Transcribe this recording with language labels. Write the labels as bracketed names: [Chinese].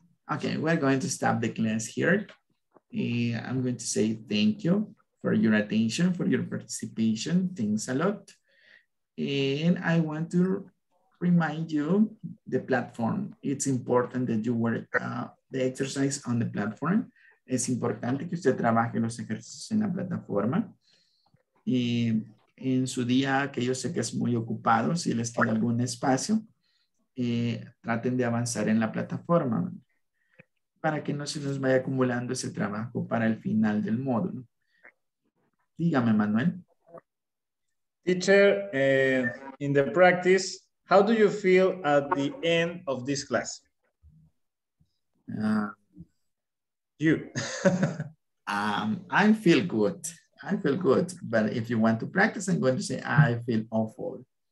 [English] Okay, we're going to stop the class here. I'm going to say thank you for your attention, for your participation. Thanks a lot. And I want to remind you the platform. It's important that you work the exercise on the platform. [Spanish] Es importante que usted trabaje los ejercicios en la plataforma. Y en su día, que yo sé que es muy ocupado, si les queda algún espacio, traten de avanzar en la plataforma para que no se nos vaya acumulando ese trabajo para el final del módulo. Dígame, Manuel. [English] Teacher, in the practice, how do you feel at the end of this class? I feel good. I feel good. But if you want to practice, I'm going to say, I feel awful.